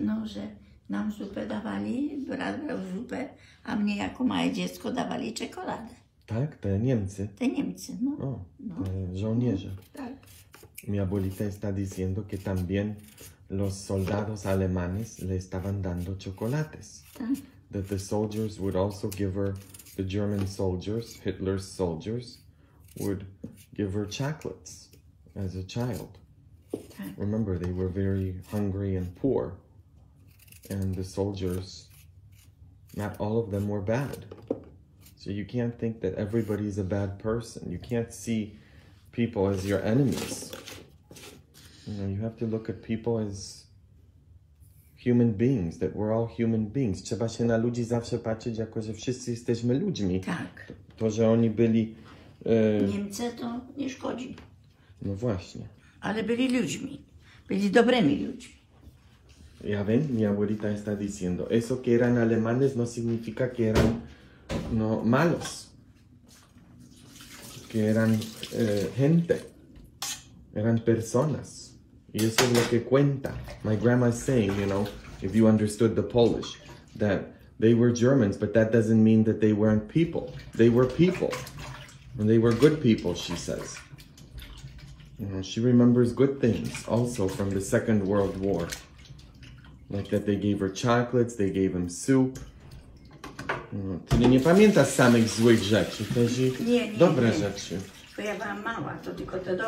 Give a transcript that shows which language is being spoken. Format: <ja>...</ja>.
<pl>No, że nam zupę dawali, brat brał zupę, a mnie jako małe dziecko dawali czekoladę. Tak? Te Niemcy? Te Niemcy, no. O, no. Te żołnierze. No, tak.</pl> <es>Mi abuelita está diciendo que también los soldados alemanes le estaban dando chocolates.</es> <en>That the soldiers would also give her, the German soldiers, Hitler's soldiers, would give her chocolates as a child. Remember, they were very hungry and poor. And the soldiers, not all of them were bad. So you can't think that everybody's a bad person. You can't see people as your enemies. You know, you have to look at people as human beings, that we're all human beings.</en> <pl>Trzeba się na ludzi zawsze patrzeć jako, że wszyscy jesteśmy ludźmi. Tak. To, że oni byli... Niemcy to nie szkodzi. No właśnie. Ale byli ludźmi. Byli dobrymi ludźmi. Ja wiem,</pl> <es>mi abuelita está diciendo, eso que eran alemanes no significa que eran no, malos. Que eran gente. Eran personas. Y eso es lo que cuenta.</es> <en>My grandma is saying, you know, if you understood the Polish, that they were Germans, but that doesn't mean that they weren't people. They were people. And they were good people, she says. You know, she remembers good things also from the Second World War. Like that they gave her chocolates, they gave him soup.</en> <pl>Ty nie pamiętasz samych złych rzeczy, to dobre rzeczy. Bo ja byłam mała, to tylko te dobre.</pl>